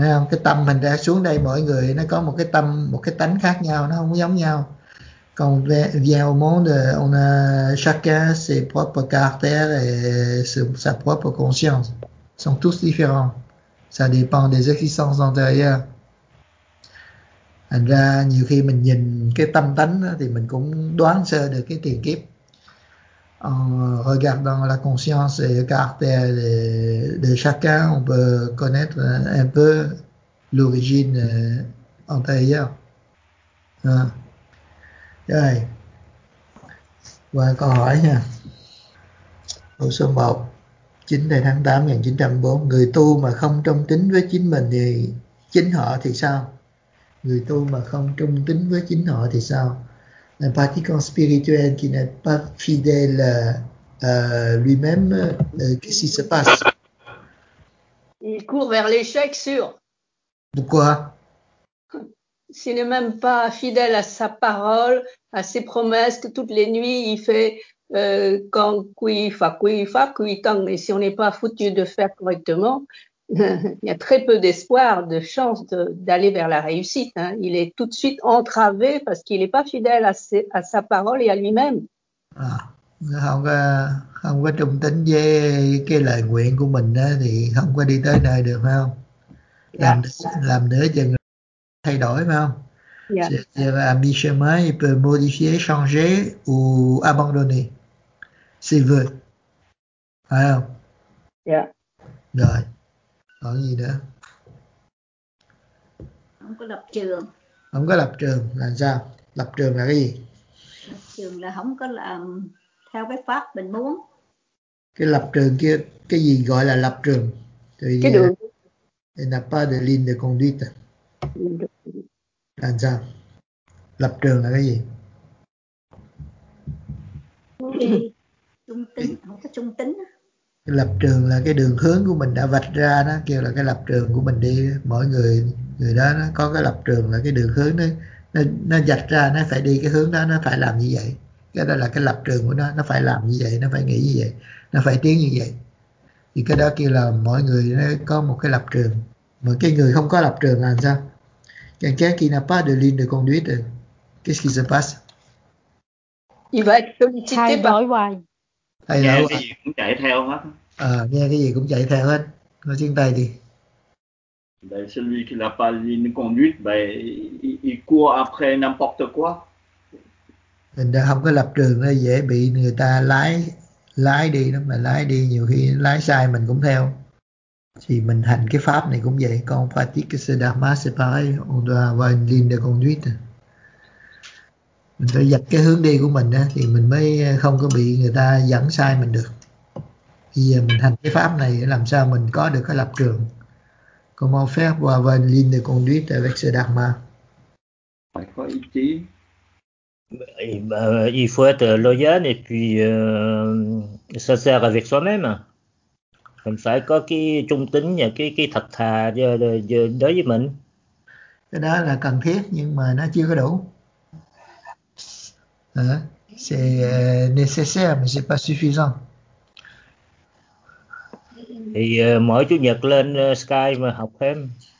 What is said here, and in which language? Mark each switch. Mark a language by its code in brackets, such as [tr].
[vi] Cái tâm mình ra xuống đây mỗi người nó có một cái tâm, một cái tánh khác nhau, nó không giống nhau. Còn về [fr] au monde, on a chacun ses propres caractères et sa propre conscience. Ils sont tous différents. Ça dépend des existences antérieures. [vi] Thành ra nhiều khi mình nhìn cái tâm tánh đó, thì mình cũng đoán sơ được cái tiền kiếp. [fr] En regardant la conscience et le caractère de chacun, on peut connaître un peu l'origine antérieure. [vi] Rồi. Qua câu hỏi nha. Câu số 1. 9 tháng 8 1904. Người tu mà không trung tín với chính mình thì chính họ thì sao? Người tu mà không trung tín với chính họ thì sao? [fr] Un pratiquant spirituel qui n'est pas fidèle à lui-même, qu'est-ce qui se passe? Il court vers l'échec sûr. De quoi? S'il n'est même pas fidèle à sa parole, à ses promesses, que toutes les nuits il fait quand qui fa qui fa qui tang, et si on n'est pas foutu de faire correctement, il y a très peu d'espoir, de chance d'aller vers la réussite. Hein. Il est tout de suite entravé parce qu'il n'est pas fidèle à sa parole et à lui-même. [vi] Không có trung tín với cái lời nguyện của mình đó, thì không có đi tới nơi được, phải không? Làm nửa chừng thay đổi, phải không? [fr] C'est un mi-chemin, il peut modifier, changer ou abandonner, s'il veut. [vi] Phải không? Yeah. Rồi. Có gì nữa? Không có lập trường. Không có lập trường là sao? Lập trường là cái gì? Lập trường là không có làm theo cái pháp mình muốn. Cái lập trường kia, cái gì gọi là lập trường? Thì cái đường. [fr] Il n'a pas de ligne de conduite. [vi] Là sao? Lập trường là cái gì? Trung tính, không có trung tính. Lập trường là cái đường hướng của mình đã vạch ra đó, kêu là cái lập trường của mình đi. Mỗi người người đó nó có cái lập trường là cái đường hướng nó vạch ra, nó phải đi cái hướng đó, nó phải làm như vậy. Cái đó là cái lập trường của nó phải làm như vậy, nó phải nghĩ như vậy, nó phải tiến như vậy. Thì cái đó kêu là mỗi người nó có một cái lập trường. Mà cái người không có lập trường là làm sao? [fr] Quand quelqu'un n'a pas de ligne de conduite, qu'est-ce qui se passe? Il va être sollicité par [vi] hoài. Thay nghe đâu, cái gì cũng chạy theo hết. Nghe cái gì cũng chạy theo hết. Nói tiếng Tây đi. [fr] Ben, celui qui n'a pas ligne conduite, ben, il court après n'importe quoi. [vi] Mình đã không có lập trường, nó dễ bị người ta lái đi đó. Mà lái đi nhiều khi lái sai mình cũng theo. Thì mình hành cái pháp này cũng vậy. [fr] Quand on pratique ce dharma, c'est pareil. On doit avoir une ligne de conduite. [vi] Mình phải dập cái hướng đi của mình đó, thì mình mới không có bị người ta dẫn sai mình được. Bây giờ mình hành cái pháp này làm sao mình có được cái lập trường. [fr] Comment faire pour avoir une ligne de conduite avec ce dharma? [vi] Phải có ý chí. [fr] Il faut être loyal et puis sincère avec soi-même. [vi] Mình phải có cái trung tín và cái thật thà đối với mình. Cái đó là cần thiết nhưng mà nó chưa có đủ. [fr] C'est nécessaire mais c'est pas suffisant. [vi] Thì mỗi chủ nhật lên Sky mà học thêm.